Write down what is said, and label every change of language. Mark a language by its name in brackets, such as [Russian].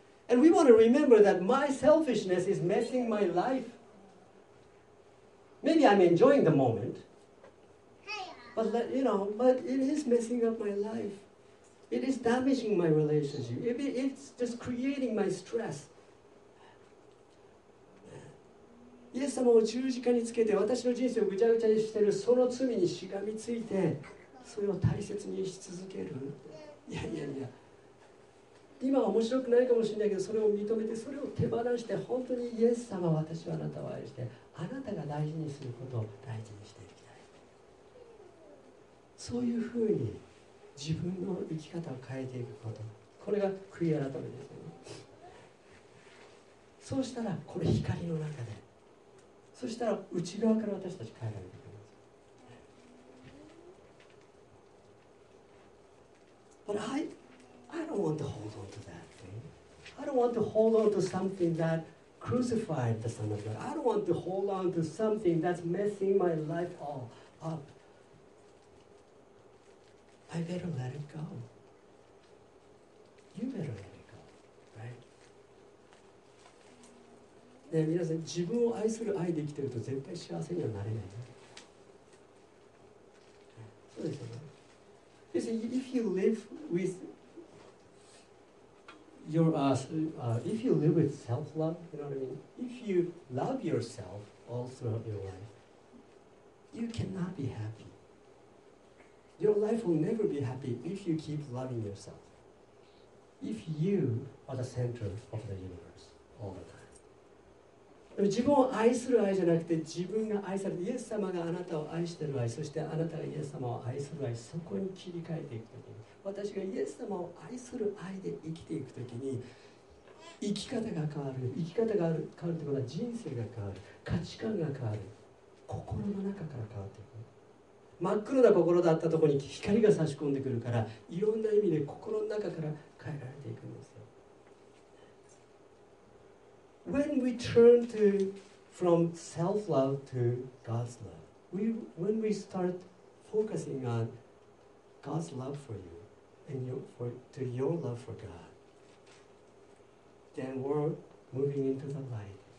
[English] And we want to remember that my selfishness is messing my life. Maybe I'm enjoying the moment. But, let, you know, but it is messing up my life. It is damaging my relationship. It's just creating my stress. [Japanese] イエス様を十字架につけて私の人生をぐちゃぐちゃにしているその罪にしがみついてそれを大切にし続ける。いやいやいや、今は面白くないかもしれないけど、それを認めてそれを手放して、本当にイエス様、私はあなたを愛して、あなたが大事にすることを大事にしていきたい。そういうふうに自分の生き方を変えていくこと、これが悔い改めですよね。そうしたらこれ光の中で、そしたら内側から私たち変えられていくんです。 [English] But I don't want to hold on to that thing. I don't want to hold on to something that crucified the Son of God. I don't want to hold on to something that's messing my life all up. I better let it go. You better let it go, right? [Japanese] ね、皆さん、自分を愛する愛で生きてると絶対幸せにはなれない、ね、そうですよね。 [English] You see, if you live with your, if you live with self-love, you know what I mean? If you love yourself all throughout your life, you cannot be happy. Your life will never be happy if you keep loving yourself. If you are the center of the universe all the time. [Japanese] 自分を愛する愛じゃなくて、自分が愛されて、イエス様があなたを愛している愛、そしてあなたがイエス様を愛する愛、そこに切り替えていくときに、私がイエス様を愛する愛で生きていくときに、生き方が変わる、生き方が変わるということは人生が変わる、価値観が変わる、心の中から変わっていく。真っ黒な心だったところに光が差し込んでくるから、いろんな意味で心の中から変えられていくんですよ。 [English] When we turn to from self-love to God's love, when we start focusing on God's love for you and to your love for God, then we're moving into the light.